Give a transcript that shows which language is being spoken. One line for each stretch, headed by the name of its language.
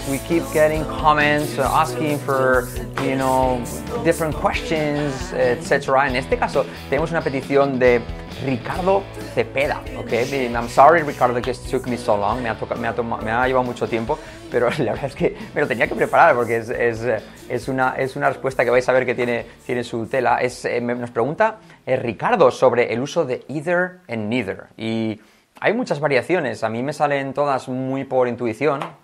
English: We keep getting comments, asking for, you know, different questions, etc.
Spanish: En este caso, tenemos una petición de Ricardo Cepeda.
English: Okay, and I'm sorry, Ricardo, it just took me so long.
Spanish: Me ha llevado mucho tiempo. Pero la verdad es que me lo tenía que preparar porque es una respuesta que vais a ver que tiene su tela. Nos pregunta Ricardo sobre el uso de either and neither. Y hay muchas variaciones. A mí me salen todas muy por intuición.